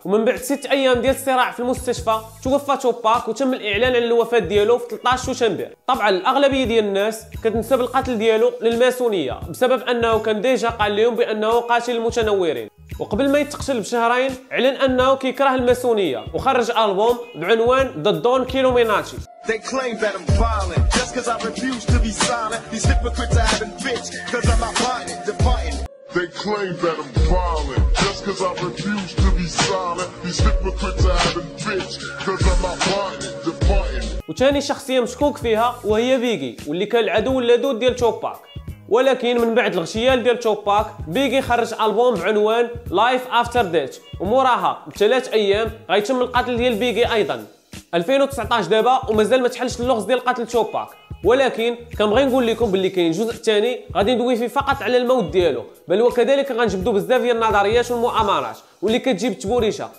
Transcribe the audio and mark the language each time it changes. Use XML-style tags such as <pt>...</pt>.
<ar>ومن بعد 6 ايام ديال الصراع في المستشفى توفى توباك وتم الاعلان على الوفاه ديالو في 13 سبتمبر. طبعا الاغلبيه ديال الناس كتنسب القتل ديالو للماسونيه بسبب انه كان ديجا قال لهم بانه قاتل المتنورين. وقبل ما يتقتل بشهرين اعلن انه كيكره الماسونيه وخرج البوم بعنوان The Don Kilominati.</ar> <en>They claim that I'm violent just cause I refuse to be silent. These hypocrites are having bitch cause I'm not fighting, defying. They claim that I'm violent just cause I refuse to be silent. These hypocrites are having bitch cause I'm not fighting, defying.</en> <ar>وتاني شخصية مشكوك فيها وهي بيجي واللي كان العدو اللدود ديال توباك. ولكن من بعد الغشيال ديال توباك بيجي خرج ألبوم بعنوان Life After Death وموراها بثلاث أيام غيتم القتل ديال بيجي أيضا. 2019 دابا ومازال ما تحلش اللغز ديال قتل توباك، ولكن كنبغي نقول لكم باللي كاين جزء ثاني غادي ندوي فيه فقط على الموت ديالو، بل وكذلك غنجبدوا بزاف ديال النظريات والمؤامرات واللي كتجيب التبوريشه.</ar>